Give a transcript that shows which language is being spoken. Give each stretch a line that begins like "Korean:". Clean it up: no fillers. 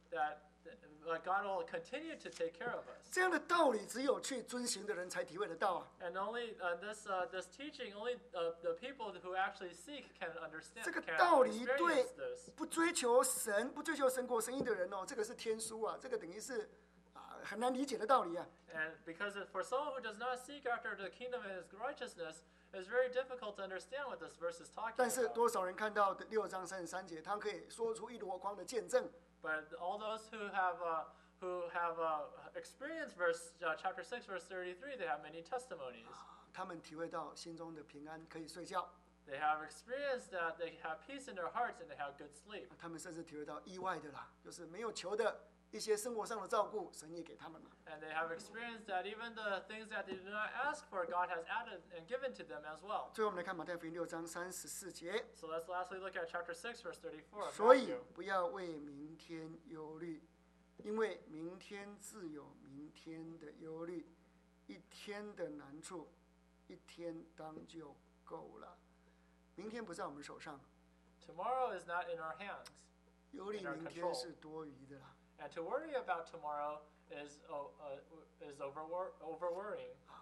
English: That God will continue to take care of us.
Chinese: 这样的道理只有去遵行的人才体会得到啊。
English: And only this teaching, only the people who actually seek can understand.
Chinese: 这个道理对不追求神、不追求神国、神义的人哦，这个是天书啊，这个等于是。很难理解的道理啊。
English: And because for someone who does not seek after the kingdom and his righteousness, it's very difficult to understand what this verse is talking about.
Chinese: 但是多少人看到六章三十三节，他可以说出一箩筐的见证。
English: But all those who have experienced chapter 6, verse 33, they have many testimonies.
Chinese: 他们体会到心中的平安，可以睡觉。
English: They have experienced that they have peace in their hearts and they have good sleep.
Chinese: 他们甚至体会到意外的啦，就是没有求的。一些生活上的照顾，神也给他们了。
English: And they have experienced that even the things that they did not ask for, God has added and given to them as well.
Chinese: 最后我们来看马太福音六章三十四节。
English: So let's lastly look at chapter 6, verse 34.
Chinese: 所以不要为明天忧虑，因为明天自有明天的忧虑，一天的难处，一天当就够了。明天不在我们手上。
English: Tomorrow is not in our hands.
Chinese: 忧虑明天是多余的啦。
English: And to worry about tomorrow is overworrying.